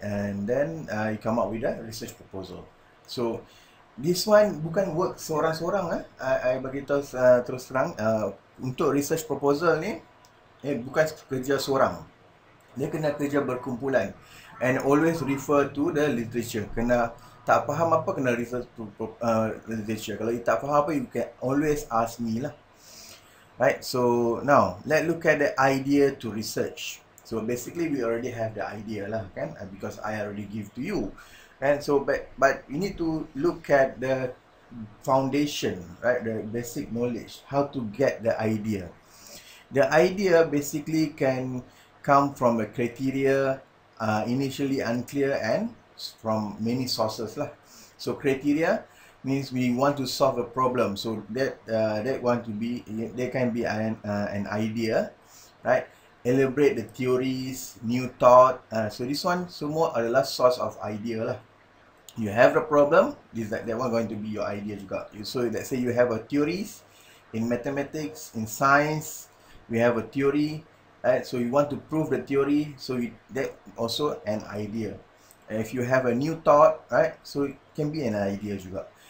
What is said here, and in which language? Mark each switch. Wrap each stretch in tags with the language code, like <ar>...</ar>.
<en>And then you come up with a research proposal. So this one bukan work seorang-seorang lah.</en> <ms>I beritahu terus terang, untuk research proposal ni bukan kerja seorang.</ms> <en>Dia kena kerja berkumpulan, and always refer to the literature.</en> <ms>Kena tak faham apa, kena research literature.</ms> <en>Kalau you tak faham apa, you can always ask me lah. Right, so now let's look at the idea to research. So basically we already have the idea lah kan, because I already give to you. And so but you need to look at the foundation, right? The basic knowledge, how to get the idea. The idea basically can come from a criteria initially unclear and from many sources lah. So criteria means we want to solve a problem. So that can be an idea, right? Elaborate the theories, new thought. So this one semua adalah source of idea lah. You have a problem, is that one going to be your idea juga. So let's say you have a theories in mathematics, in science, we have a theory, right? So you want to prove the theory, so that also an idea. And if you have a new thought, right, so it can be an idea juga.</en>